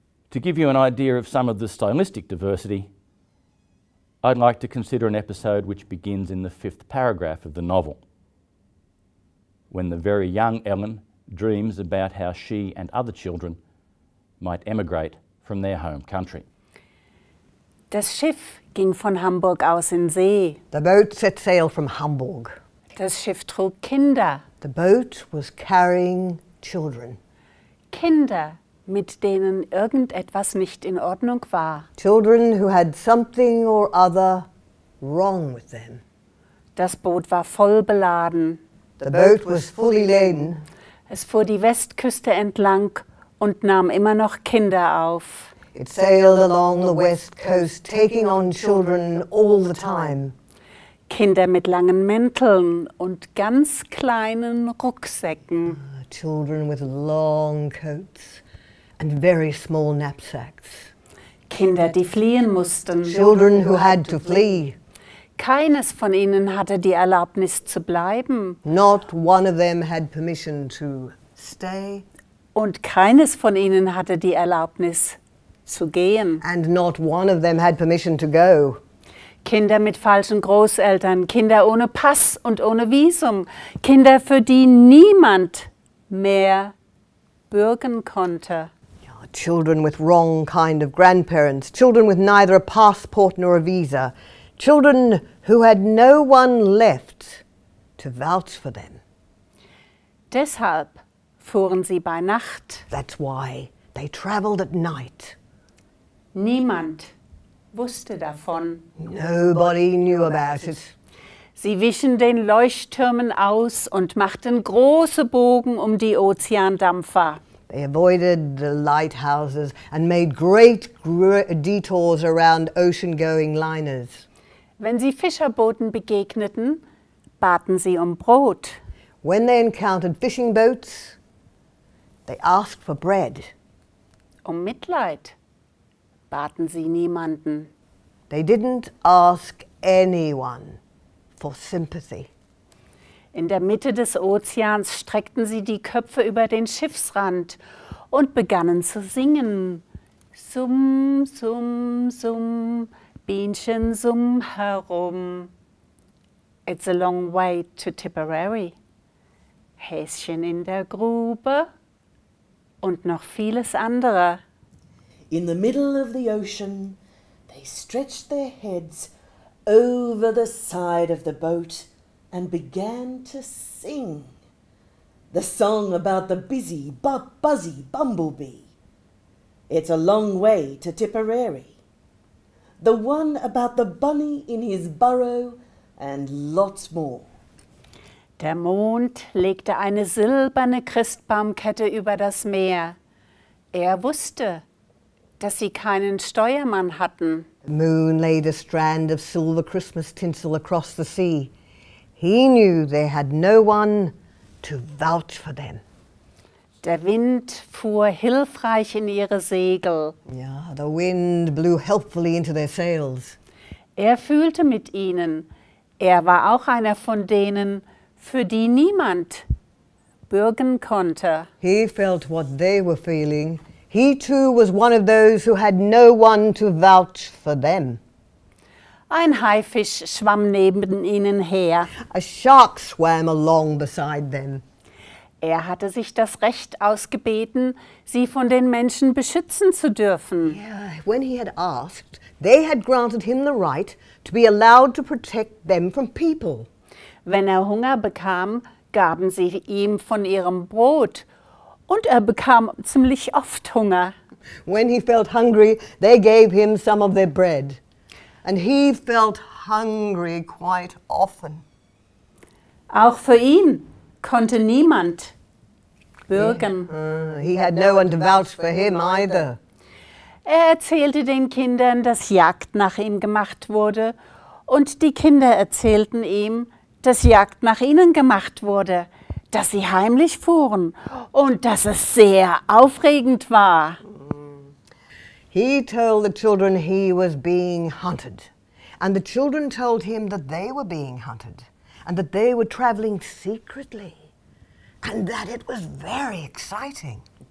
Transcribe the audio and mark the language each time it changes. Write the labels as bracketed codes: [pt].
[en] To give you an idea of some of the stylistic diversity, I'd like to consider an episode which begins in the fifth paragraph of the novel, when the very young Ellen dreams about how she and other children might emigrate from their home country. [de] Das Schiff ging von Hamburg aus in See. [en] The boat set sail from Hamburg. [de] Das Schiff trug Kinder. [en] The boat was carrying children. [de] Kinder, mit denen irgendetwas nicht in Ordnung war. [en] Children who had something or other wrong with them. [de] Das Boot war voll beladen. [en] The boat was fully laden. [de] Es fuhr die Westküste entlang und nahm immer noch Kinder auf. [en] It sailed along the west coast, taking on children all the time. [de] Kinder mit langen Mänteln und ganz kleinen Rucksäcken. [en] Children with long coats and very small knapsacks. [de] Kinder, die fliehen mussten. [en] Children who had to flee. [de] Keines von ihnen hatte die Erlaubnis zu bleiben. [en] Not one of them had permission to stay. [de] Und keines von ihnen hatte die Erlaubnis zu gehen. [en] And not one of them had permission to go. [de] Kinder mit falschen Großeltern, Kinder ohne Pass und ohne Visum, Kinder, für die niemand mehr bürgen konnte. [en] Children with wrong kind of grandparents, children with neither a passport nor a visa, children who had no one left to vouch for them. [de] Deshalb fuhren sie bei Nacht. [en] That's why they travelled at night. [de] Niemand wusste davon. [en] Nobody knew about it. [de] Sie wichen den Leuchttürmen aus und machten große Bogen um die Ozeandampfer. [en] They avoided the lighthouses and made great detours around ocean-going liners. [de] Wenn sie Fischerbooten begegneten, baten sie um Brot. [en] When they encountered fishing boats, they asked for bread. [de] Um Mitleid baten sie niemanden. [en] They didn't ask anyone for sympathy. [de] In der Mitte des Ozeans streckten sie die Köpfe über den Schiffsrand und begannen zu singen. Summ, summ, summ, Bienchen summ herum. [en] It's a long way to Tipperary. [de] Häschen in der Grube und noch vieles andere. [en] In the middle of the ocean, they stretched their heads over the side of the boat and began to sing the song about the busy, buzzy bumblebee. It's a long way to Tipperary. The one about the bunny in his burrow and lots more. [de] Der Mond legte eine silberne Christbaumkette über das Meer. Wusste, dass sie keinen Steuermann hatten. [en] The moon laid a strand of silver Christmas tinsel across the sea. He knew they had no one to vouch for them. [de] Der Wind fuhr hilfreich in ihre Segel. [en] Yeah, the wind blew helpfully into their sails. [de] Fühlte mit ihnen. War auch einer von denen, für die niemand bürgen konnte. [en] He felt what they were feeling. He too was one of those who had no one to vouch for them. [de] Ein Haifisch schwamm neben ihnen her. [en] A shark swam along beside them. [de] Er hatte sich das Recht ausgebeten, sie von den Menschen beschützen zu dürfen. [en] Yeah, when he had asked, they had granted him the right to be allowed to protect them from people. [de] Wenn er Hunger bekam, gaben sie ihm von ihrem Brot. Und er bekam ziemlich oft Hunger. [en] When he felt hungry, they gave him some of their bread. And he felt hungry quite often. [de] Auch für ihn konnte niemand bürgen. [en] Yeah. He had no one to vouch for him either. [de] Er erzählte den Kindern, dass Jagd nach ihm gemacht wurde. Und die Kinder erzählten ihm, dass Jagd nach ihnen gemacht wurde, dass sie heimlich fuhren und dass es sehr aufregend war. [en] He told the children he was being hunted. And the children told him that they were being hunted and that they were traveling secretly and that it was very exciting.